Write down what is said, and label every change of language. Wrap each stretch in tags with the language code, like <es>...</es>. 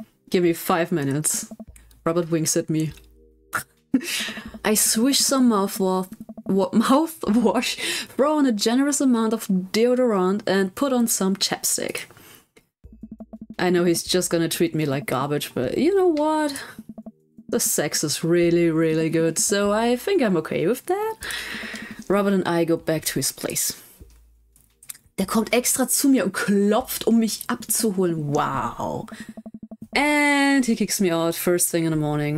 <en>Give me 5 minutes. Robert winks at me. I swish some mouthwash, throw on a generous amount of deodorant, and put on some chapstick. I know he's just gonna treat me like garbage, but you know what? The sex is really, really good, so I think I'm okay with that. Robert and I go back to his place.</en> <de>Der kommt extra zu mir und klopft, um mich abzuholen.</de> <en>Wow. And he kicks me out first thing in the morning.</en>